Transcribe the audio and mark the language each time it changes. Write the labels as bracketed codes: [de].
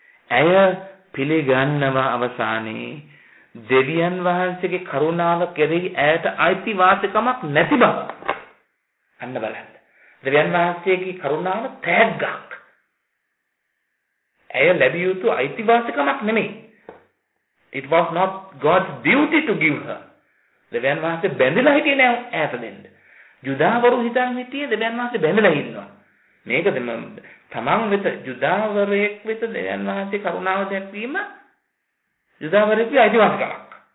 [si] ඇය පිළිගන්නවා අවසානයේ දෙවියන් වහන්සේගේ කරුණාව කෙරෙහි ඇයට අයිතිවාසිකමක් නැති බව. අන්න බලන්න, දෙවියන් වහන්සේගේ කරුණාව තෑග්ගක්, ඇය ලැබිය යුතු අයිතිවාසිකමක් නෙමෙයි. [en] It was not God's duty to give her. [si] දෙවියන් වහන්සේ බැඳලා හිටියේ නෑ ඈත දෙන්න. යුදාවරු හිතන් හිටියේ දෙවියන් වහන්සේ බැඳලා ඉන්නවා. මේකද තමන් වෙත යුදාවරයෙක් වෙත දෙවියන් වහන්සේ කරුණාව දැක්වීම යුදාවරයෙක්ගේ අයිතිවාසිකමක්.